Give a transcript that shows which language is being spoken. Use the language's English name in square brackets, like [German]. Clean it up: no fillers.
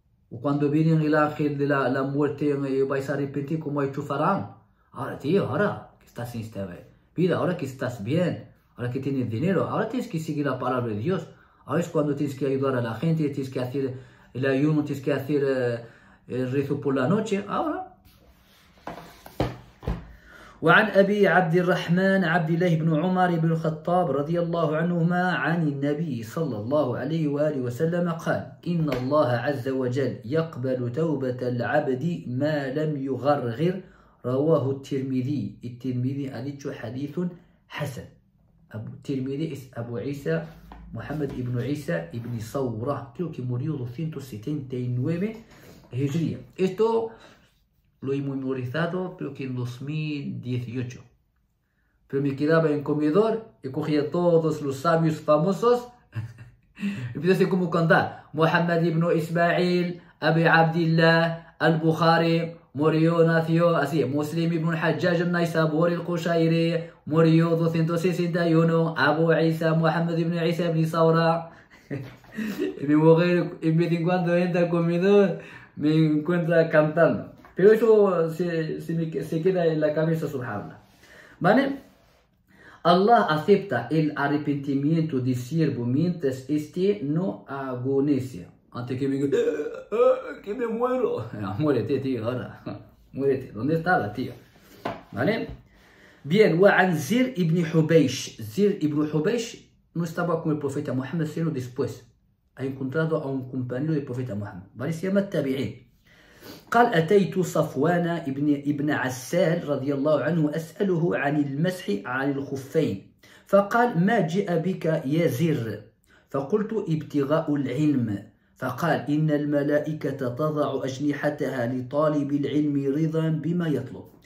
[Spanish] ¿O cuando viene el ángel de la muerte y vais a arrepentir como ha hecho Faraón? Ahora, tío, ahora que estás en esta vida, ahora que estás bien, ahora que tienes dinero, ahora tienes que seguir la palabra de Dios. Ahora es cuando tienes que ayudar a la gente, tienes que hacer el ayuno, tienes que hacer el rezo por la noche. Ahora. [Arabic] وعن أبي عبد الرحمن عبد الله بن عمر بن الخطاب رضي الله عنهما عن النبي صلى الله عليه وآله وسلم قال: إن الله عز وجل يقبل توبة العبد ما لم يغرغر. رواه الترمذي. الترمذي حديث حسن. أبو الترمذي اس أبو عيسى محمد بن عيسى بن صورة [Spanish] creo que murió [Arabic] 269 هجرية. [Spanish] Esto lo he memorizado creo que en 2018, pero me quedaba en comedor y cogía todos los sabios famosos y empecé como cantar Muhammad ibn Ismail, Abi Abdillah, Al-Bukhari, murió, nació, así, Muslim ibn Hajjaj al-Naisaburi al-Qushayri, murió 261, Abu Isa, Muhammad ibn Isa ibn Saura. Y mi mujer, en vez de cuando entra al comedor, me encuentra cantando. Pero eso se queda en la cabeza, subhanallah. ¿Vale? Allah acepta el arrepentimiento del siervo mientras este no agonice. Antes que me diga, que me muero. Ya, muérete, tío, ahora. Muérete. ¿Dónde está la tía? ¿Vale? Bien, وعن Zir ibn Hubeish. Zir ibn Hubeish no estaba con el profeta Muhammad, sino después. Ha encontrado a un compañero del profeta Muhammad. ¿Vale? Se llama Tabi'in. [Arabic] قال: أتيت صفوان ابن عسال رضي الله عنه أسأله عن المسح على الخفين، فقال: ما جاء بك يا زر؟ فقلت: ابتغاء العلم. فقال: إن الملائكة تضع أجنحتها لطالب العلم رضا بما يطلب.